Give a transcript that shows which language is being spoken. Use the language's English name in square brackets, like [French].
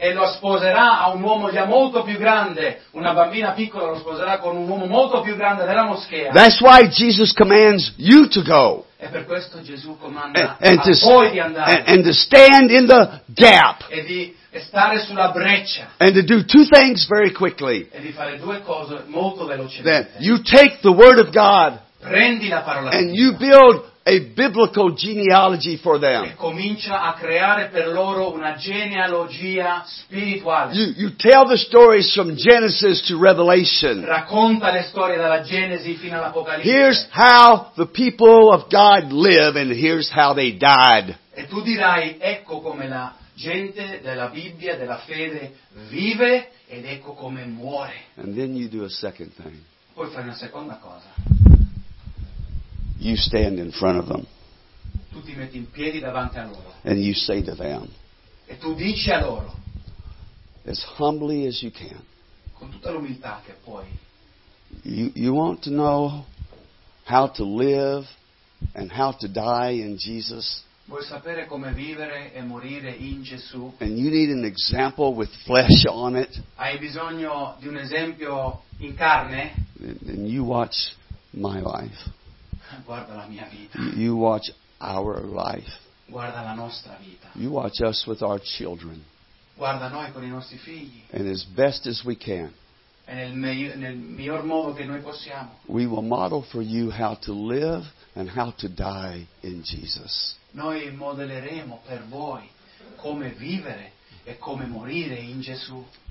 [Italian] E lo sposerà a un uomo già molto più grande. Una bambina piccola lo sposerà con un uomo molto più grande della moschea. [English] That's why Jesus commands you to go. [Italian] E per questo Gesù comanda a voi di andare. [English] And to stand in the gap. [Italian] E stare sulla breccia. [English] And to do two things very quickly. [Italian] E di fare due cose molto velocemente. [English] That you take the word of God. [Italian] Prendi la parola. [English] And you build a biblical genealogy for them. [Italian] E comincia a creare per loro una genealogia spirituale. [English] You tell the stories from Genesis to Revelation. [Italian] Racconta le storie dalla Genesi fino all'Apocalisse. [English] Here's how the people of God live and here's how they died. [Italian] E tu dirai, ecco come la gente della Bibbia, della fede, vive ed ecco come muore. [English] And then you do a second thing. [Italian] Poi fai una seconda cosa. [English] You stand in front of them. [Italian] Tu ti metti in piedi davanti a loro. [English] And you say to them. [Italian] E tu dici a loro. [English] As humbly as you can. [Italian] Con tutta l'umiltà che puoi. [English] You want to know how to live and how to die in Jesus. [Italian] Vuoi sapere come vivere e morire in Gesù? [English] And you need an example with flesh on it. [Italian] Hai bisogno di un esempio in carne? [English] And you watch my life. [Italian] Guarda la mia vita. [English] You watch our life. [Italian] Guarda la nostra vita. [English] You watch us with our children. [Italian] Guarda noi con i nostri figli. [English] And as best as we can. [Italian] E nel miglior modo che noi possiamo. [English] We will model for you how to live and how to die in Jesus. [Italian] Noi modelleremo per voi come vivere e come morire in Gesù.